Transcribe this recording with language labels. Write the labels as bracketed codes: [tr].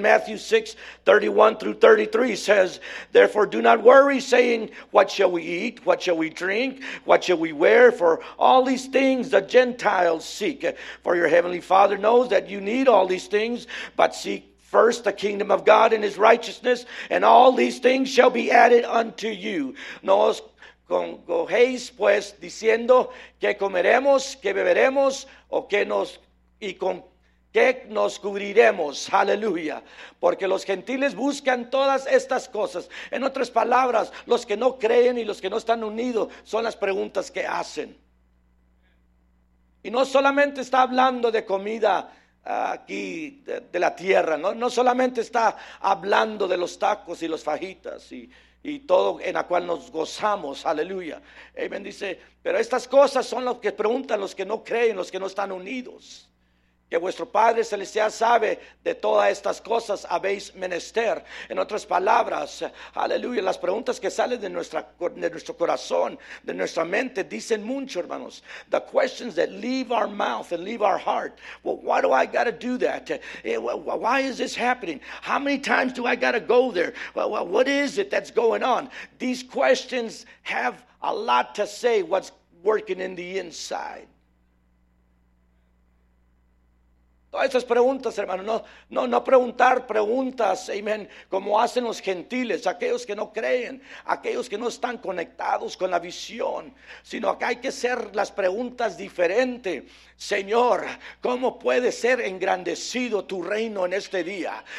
[en] Matthew 6:31-33 says, therefore do not worry, saying, what shall we eat? What shall we drink? What shall we wear? For all these things the Gentiles seek. For your heavenly Father knows that you need all these things, but seek first the kingdom of God and his righteousness, and all these things shall be added unto you. [es] No os congojéis pues diciendo que comeremos, que beberemos, o que nos y con qué nos cubriremos. Aleluya. Porque los gentiles buscan todas estas cosas. En otras palabras, los que no creen y los que no están unidos son las preguntas que hacen. Y no solamente está hablando de comida aquí de la tierra, no solamente está hablando de los tacos y los fajitas y todo en la cual nos gozamos, aleluya. Amen. Dice, pero estas cosas son las que preguntan los que no creen, los que no están unidos. Que vuestro Padre Celestial sabe de todas estas cosas habéis menester. En otras palabras, aleluya, las preguntas que salen de nuestro corazón, de nuestra mente, dicen mucho, hermanos. [en] The questions that leave our mouth and leave our heart. Well, why do I got to do that? Why is this happening? How many times do I got to go there? Well, what is it that's going on? These questions have a lot to say what's working in the inside. [es] Todas esas preguntas, hermano, no preguntar preguntas, amen, como hacen los gentiles, aquellos que no creen, aquellos que no están conectados con la visión, sino que hay que hacer las preguntas diferente. Señor, ¿cómo puede ser engrandecido tu reino en este día?